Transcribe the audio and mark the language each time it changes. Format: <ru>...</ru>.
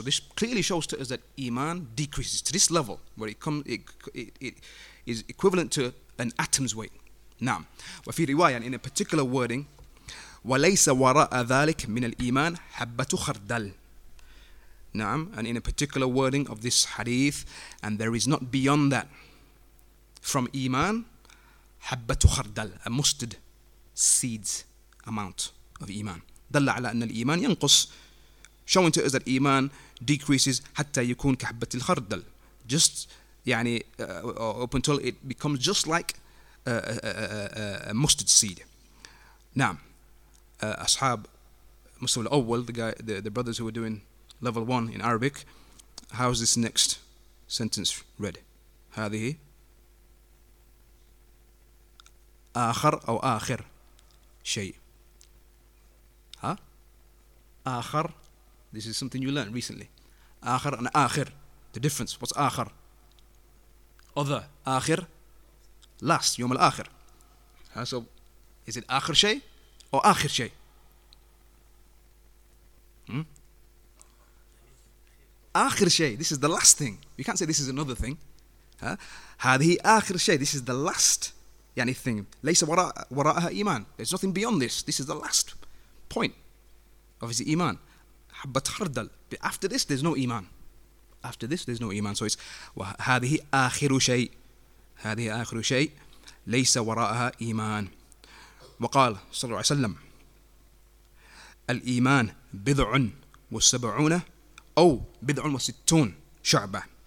<en>So this clearly shows to us that إيمان decreases to this level where it is equivalent to an atom's weight.</en> <ar>نعم. وفي رواية,</ar> <en>and in a particular wording,</en> <ar>وليس وراء ذلك من الإيمان حبة خردل.</ar> <en>نعم. And in a particular wording of this hadith, and there is not beyond that from إيمان حبة خردل, a mustard seeds amount of إيمان.</en> <ar>دل على أن الإيمان ينقص,</ar> <en>showing to us that إيمان decreases,</en> <ar>حتى يكون كحبة الخردل,</ar> <en>just يعني up until it becomes just like a mustard seed. نعم.</en> <ar>أصحاب مستوى الأول,</ar> <en>the brothers who were doing level 1 in Arabic, how's this next sentence read?</en> <ar>هذه آخر أو آخر شيء.</ar> <en>ها؟ آخر, this is something you learned recently. آخر and آخر, the difference, what's آخر? Other, آخر, last, يوم الآخر. So, is it آخر شيء or آخر شيء? آخر شيء, this is the last thing. You can't say this is another thing.</en> <ar>هذه آخر شيء,</ar> <en>this is the last يعني thing.</en> <ar>ليس وراءها إيمان,</ar> <en>there's nothing beyond this. This is the last point of his إيمان. حبة خردل, after this there's no إيمان. After this there's no إيمان. So it's</en> <ar>هذه آخر شيء, هذه آخر شيء, ليس وراءها إيمان. وقال صلى الله عليه وسلم الإيمان بضع وسبعون أو بضع وستون شعبة.</ar>